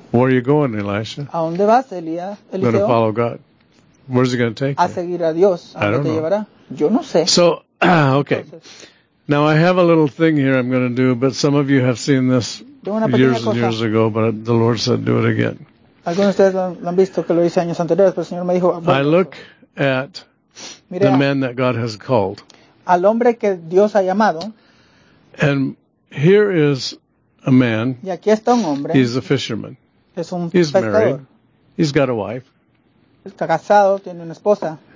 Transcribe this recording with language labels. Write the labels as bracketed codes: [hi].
[en] Where are you going, Elisha? [es] ¿A dónde vas, Elías? [en] I'm going to follow God. Where's he going to take me? [es] A seguir a Dios. ¿A dónde te llevará? Yo no sé. [en] So, okay. Entonces, now I have a little thing here I'm going to do, but some of you have seen this years and years ago, but the Lord said do it again. [es] Algunos de ustedes lo han visto que lo hice años anteriores, pero el Señor me dijo. [en] I look at the man that God has called. [es] Al hombre que Dios ha llamado. [en] And here is a man. [es] Y aquí está un hombre. [en] He's a fisherman. [es] Es un [en] He's [es] pescador. [en] Married. He's got a wife. [es] Está casado, tiene una esposa.